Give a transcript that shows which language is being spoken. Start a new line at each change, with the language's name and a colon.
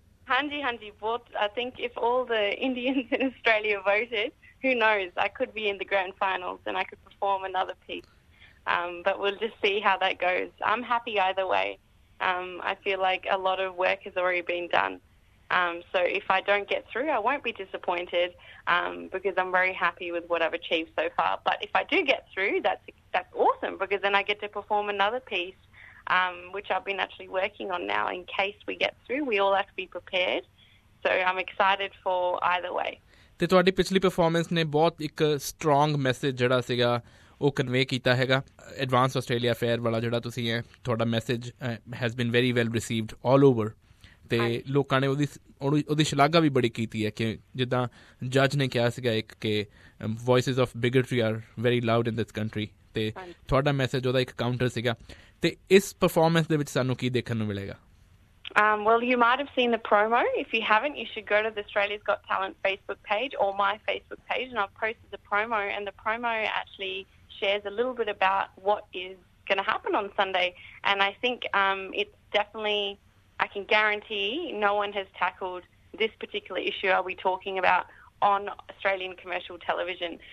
Punjabi: ਹਾਂਜੀ ਹਾਂਜੀ, ਬਹੁਤ
English: I think if all the Indians in Australia voted, who knows, I could be in the grand finals and I could perform another piece, but we'll just see how that goes. I'm happy either way, I feel like a lot of work has already been done, so if I don't get through I won't be disappointed, because I'm very happy with what I've achieved so far, but if I do get through that's awesome, because then I get to perform another piece which I've been actually working on now, in case we get through we all have to be prepared, so I'm excited for either way.
Punjabi: ਤੇ ਤੁਹਾਡੀ ਪਿਛਲੀ performance ਨੇ ਬਹੁਤ ਇੱਕ strong message ਜਿਹੜਾ ਸੀਗਾ ਉਹ convey ਕੀਤਾ ਹੈਗਾ ਐਡਵਾਂਸ ਆਸਟ੍ਰੇਲੀਆ ਫੇਅਰ ਵਾਲਾ ਜਿਹੜਾ ਤੁਸੀਂ ਹੈ, ਤੁਹਾਡਾ message
English: has been very well received all over,
Punjabi: ਤੇ ਲੋਕਾਂ ਨੇ ਉਹਦੀ ਸ਼ਲਾਘਾ ਵੀ ਬੜੀ ਕੀਤੀ ਹੈ ਕਿ ਜਿੱਦਾਂ ਜੱਜ ਨੇ ਕਿਹਾ ਸੀਗਾ ਇੱਕ ਕਿ
English: voices of bigotry are very loud in this country,
Punjabi: ਤੇ ਤੁਹਾਡਾ ਮੈਸੇਜ ਉਹਦਾ ਇੱਕ ਕਾਊਂਟਰ ਸੀਗਾ, ਤੇ ਇਸ ਪਰਫਾਰਮੈਂਸ ਦੇ ਵਿੱਚ ਸਾਨੂੰ ਕੀ ਦੇਖਣ ਨੂੰ ਮਿਲੇਗਾ?
English: Well, you might have seen the promo. If you haven't, you should go to the Australia's Got Talent Facebook page or my Facebook page, and I've posted the promo, and the promo actually shares a little bit about what is going to happen on Sunday, and I think it's definitely, I can guarantee, no one has tackled this particular issue are we talking about on Australian commercial television.